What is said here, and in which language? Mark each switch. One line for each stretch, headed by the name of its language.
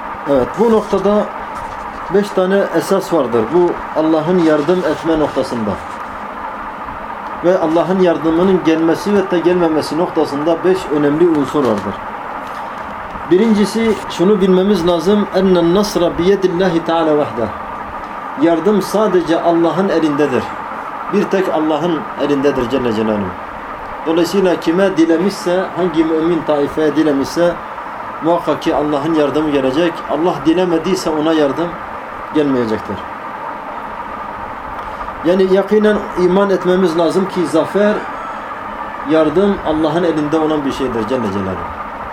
Turkish: Evet, bu noktada 5 tane esas vardır. Bu Allah'ın yardım etme noktasında. ve Allah'ın yardımının gelmesi ve de gelmemesi noktasında 5 önemli unsur vardır. Birincisi, şunu bilmemiz lazım.
Arabic: اَنَّ النَّصْرَ بِيَدِ اللّٰهِ تَعَالَى وَحْدَهِ
Turkish: Yardım sadece Allah'ın elindedir. Bir tek Allah'ın elindedir Celle Celaluhu. Dolayısıyla kime dilemişse, hangi mümin taifeye dilemişse muhakkak ki Allah'ın yardımı gelecek. Allah dilemediyse ona yardım gelmeyecektir. Yani yakinen iman etmemiz lazım ki zafer, yardım Allah'ın elinde olan bir şeydir Celle Celaluhu.